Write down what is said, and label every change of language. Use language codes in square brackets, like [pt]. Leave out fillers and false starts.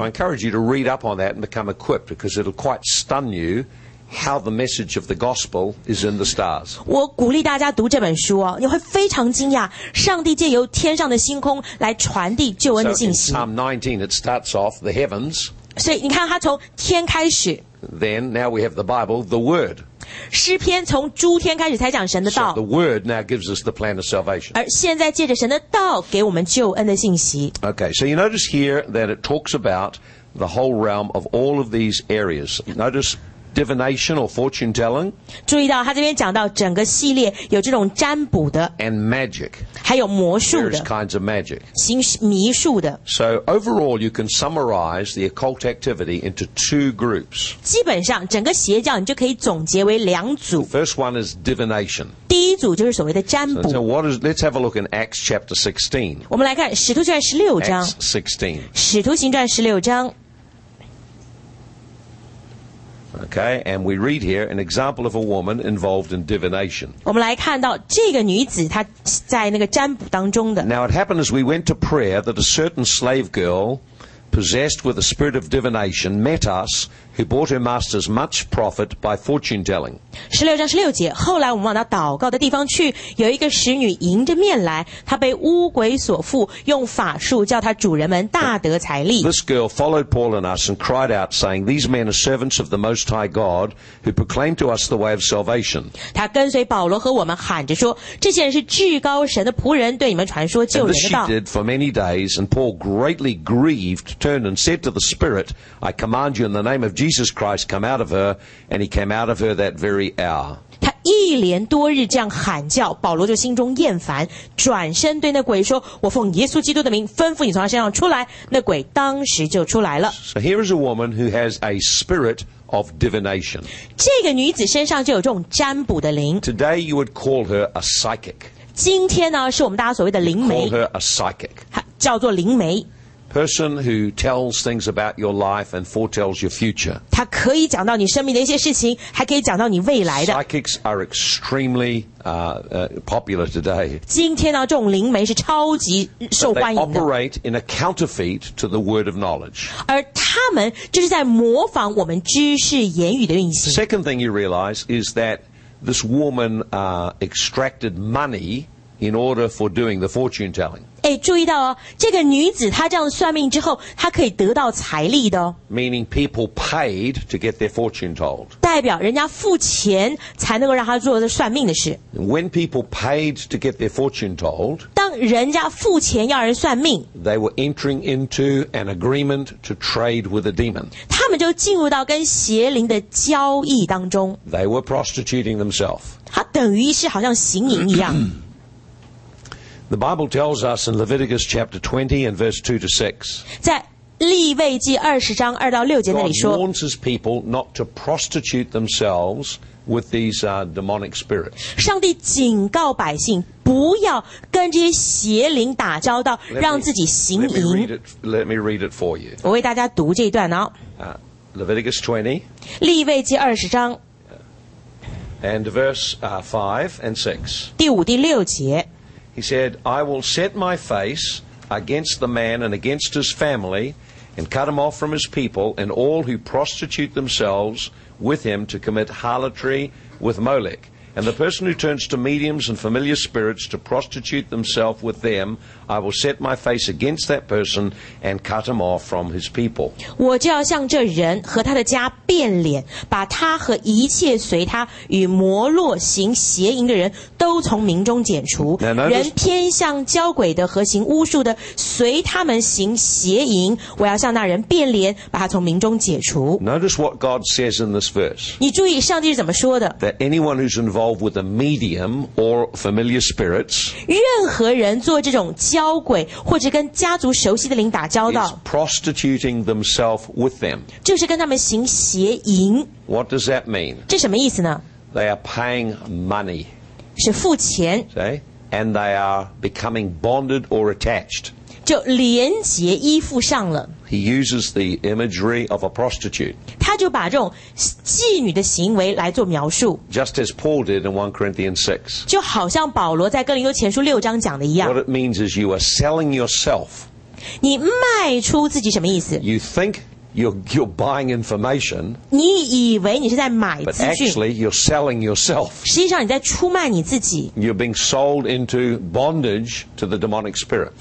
[en] I encourage you to read up on that and become equipped because it'll quite stun you. How the message of the gospel is in the stars. [zh] 我鼓励大家读这本书哦，你会非常惊讶，上帝借由天上的星空来传递救恩的信息。 [en] So in Psalm 19, it starts off the heavens. [zh] 所以你看，它从天开始。 [en] Then now we have the Bible, the Word. [zh] 诗篇从诸天开始才讲神的道。 [en] So the Word now gives us the plan of salvation. [zh] 而现在借着神的道给我们救恩的信息。 [en] Okay, so you notice here that it talks about the whole realm of all of these areas. Notice. divination or fortune telling. [zh] 注意到他这边讲到整个系列有这种占卜的 [en] and magic. [zh] 还有魔术的 [en] various kinds of magic. [zh] 行迷术的 [en] So overall, you can summarize the occult activity into two groups. [zh] 基本上整个邪教你就可以总结为两组 [en] The first one is divination. [zh] 第一组就是所谓的占卜 [en] So what is, let's have a look in Acts chapter 16. [zh] 我们来看使徒行传十六章 [en] Acts 16. [zh] 使徒行传十六章 [en] Okay, and we read here an example of a woman involved in divination. [zh] 我们来看到这个女子她在那个占卜当中的。 [en] Now it happened as we went to prayer that a certain slave girl, possessed with a spirit of divination, met us, who brought her masters much profit by fortune telling. [zh] 十六章十六节，后来我们往那祷告的地方去，有一个使女迎着面来，她被巫鬼所附，用法术叫她主人们大得财力。 [en] This girl followed Paul and us and cried out, saying, "These men are servants of the Most High God, who proclaim to us the way of salvation." [zh] 她跟随保罗和我们喊着说，这些人是至高神的仆人，对你们传说救人的道。 [en] And this she did for many days, and Paul greatly grieved, turned and said to the Spirit, "I command you in the name of Jesus Christ, come out of her," and he came out of her that very [zh] 他一连多日这样喊叫，保罗就心中厌烦，转身对那鬼说：“我奉耶稣基督的名，吩咐你从他身上出来。” 那鬼当时就出来了。 [en] So here is a woman who has a spirit of divination. [zh] 这个女子身上就有这种占卜的灵。 [en] Today you would call her a psychic. [zh] 今天呢，是我们大家所谓的灵媒。 [en] Call her a psychic. [zh] 叫做灵媒。 [en] Person who tells things about your life and foretells your future. [zh] 他可以讲到你生命的一些事情，还可以讲到你未来的。 [en] Psychics are extremely popular today. [zh] 今天呢，这种灵媒是超级受欢迎的。 [en] But they operate in a counterfeit to the word of knowledge. [zh] 而他们就是在模仿我们知识言语的运行。 [en] Second thing you realize is that this woman extracted money. In order for doing the fortune telling. [zh] 哎，注意到哦，这个女子她这样算命之后，她可以得到财力的哦。 [en] Meaning people paid to get their fortune told. [zh] 代表人家付钱才能够让她做这算命的事。 [en] When people paid to get their fortune told, [zh] 当人家付钱要人算命 [en] they were entering into an agreement to trade with a demon. [zh] 他们就进入到跟邪灵的交易当中。 [en] They were prostituting themselves. [zh] 她等于是好像行淫一样。 [en] The Bible tells us in Leviticus chapter 20 and verse 2 to 6. [zh] 在利未记二十章二到六节那里说 [en] God warns his people not to prostitute themselves with these demonic spirits. [zh] 上帝警告百姓不要跟这些邪灵打交道，让自己行淫。 [en] Let me read it for you. [zh] 我为大家读这一段哦。 [en] Leviticus 20. [zh] 利未记二十章。 [en] And verse 5 and 6. [zh] 第五、第六节。 [en] He said, I will set my face against the man and against his family and cut him off from his people and all who prostitute themselves with him to commit harlotry with Molech. And the person who turns to mediums and familiar spirits to prostitute themselves with them, I will set my face against that person and cut him off from his people. [zh] 我就要向这人和他的家变脸，把他和一切随他与摩洛行邪淫的人都从民中剪除。人偏向交鬼的和行巫术的，随他们行邪淫，我要向那人变脸，把他从民中解除。 [en] Notice what God says in this verse. [zh] 你注意上帝是怎么说的 [en] ？That anyone who's involved with a medium or familiar spirits, [zh] 任何人做这种交鬼或者跟家族熟悉的灵打交道 [en] is prostituting themselves with them. [zh] 就是跟他们行邪淫。 [en] What does that mean? [zh] 这什么意思呢 [en] ？They are paying money. [zh] 是付钱。 [en] See? And they are becoming bonded or attached. [zh] 就连结依附上了。 [en] He uses the imagery of a prostitute. [zh] 他就把这种妓女的行为来做描述。 [en] Just as Paul did in 1 Corinthians 6. [zh] 就好像保罗在哥林多前书六章讲的一样。 [en] What it means is you are selling yourself. [zh] 你卖出自己什么意思 [en] ？You think you're buying information. [zh] 你以为你是在买资讯 [en] ？But actually you're selling yourself. [zh] 实际上你在出卖你自己。 [en] You're being sold into bondage to the demonic spirit.